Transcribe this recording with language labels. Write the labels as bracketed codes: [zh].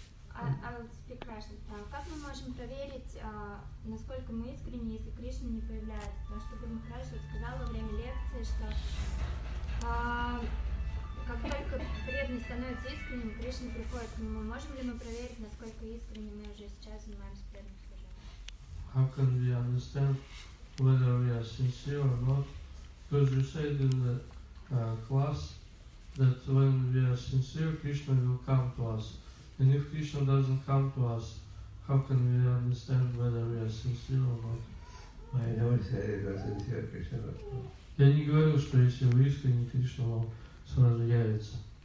[ru] Как мы можем проверить, насколько мы искренне, если Кришна не появляется? Потому что Гуру Махарадж сказал во время лекции, что как только преданный становится искренним, Кришна приходит к нему. Можем ли мы проверить, насколько искренне мы уже сейчас занимаемся преданным служением? [en] How can we understand whether we are sincere or not? Because you said in the class that when we are sincere, Krishna will come to us. And if Krishna doesn't come to us, how can we understand whether we are sincere or not? I never said it was sincere, Krishna will come. [ru] Я не говорю, что если вы искренне, Кришна вам сразу явится.